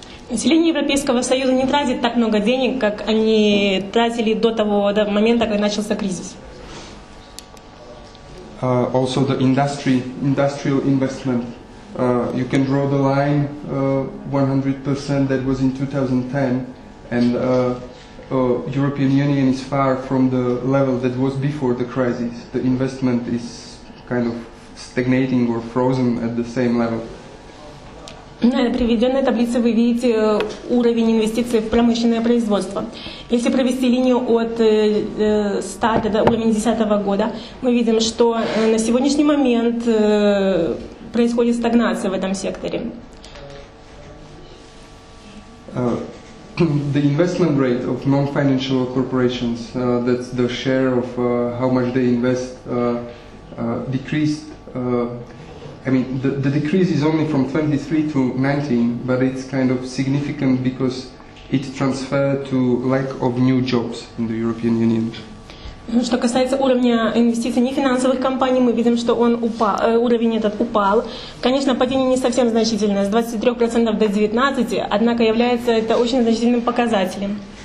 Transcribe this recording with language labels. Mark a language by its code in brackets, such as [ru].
[ru] Население Европейского Союза не тратит так много денег, как они тратили до момента, когда начался кризис. [en] Also the industrial investment. You can draw the line 100% that was in 2010 and European Union is far from the level that was before the crisis. The investment is kind of stagnating or frozen at the same level. [ru] На приведенной таблице вы видите уровень инвестиций в промышленное производство. Если провести линию от 100 до уровня 2010 года, мы видим, что на сегодняшний момент происходит стагнация в этом секторе. [en] The investment rate of non-financial corporations, that's the share of how much they invest, decreased. The decrease is only from 23 to 19, but it's kind of significant because it transferred to lack of new jobs in the European Union. [ru] Что касается уровня инвестиций нефинансовых компаний, мы видим, что уровень этот упал. Конечно, падение не совсем значительное, с 23% до 19%, однако является это очень значительным показателем.